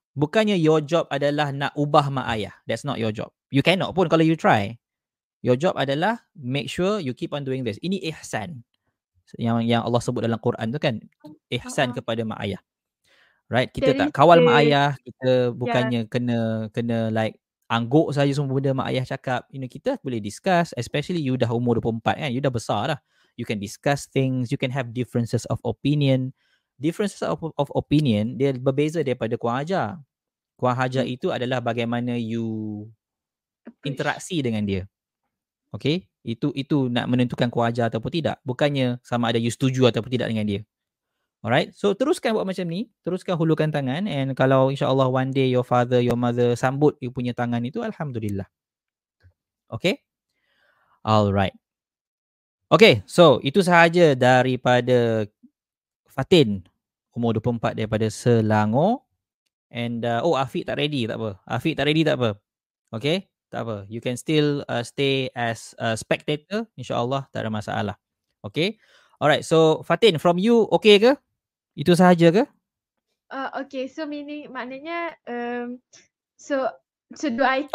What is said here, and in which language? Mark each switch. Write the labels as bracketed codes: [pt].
[ms] Bukannya [en] your job [ms] adalah nak ubah mak ayah. [en] That's not your job. You cannot pun kalau you try. Your job adalah make sure you keep on doing this. [ms] Ini ihsan. Yang Allah sebut dalam Quran tu kan. Ihsan kepada mak ayah. Right? Kita tak kawal mak ayah. Kita bukannya kena like angguk saja semua benda mak ayah cakap. [en] You know, [ms] kita boleh discuss. Especially you dah umur 24 kan. You dah besar dah. [en] You can discuss things. You can have differences of opinion. Differences of opinion, [ms] dia berbeza daripada kuang hajar. Kuang hajar itu adalah bagaimana you interaksi dengan dia. Okay? Itu nak menentukan kuang hajar ataupun tidak. Bukannya sama ada you setuju ataupun tidak dengan dia. Alright, so teruskan buat macam ni. Teruskan hulurkan tangan. And kalau insyaAllah [en] one day your father, your mother [ms] sambut you punya tangan itu, alhamdulillah. Okay? Alright. Okay, so itu sahaja daripada Fatin, umur 24 daripada Selangor. And, Afiq tak ready, tak apa. Afiq tak ready, tak apa. Okay? Tak apa. [en] You can still stay as a spectator. InsyaAllah, [ms] tak ada masalah. [en] Okay? Alright, so Fatin, from you, okay ke? [ms] Itu sahaja ke? [en] Okay, so meaning, maknanya, so do I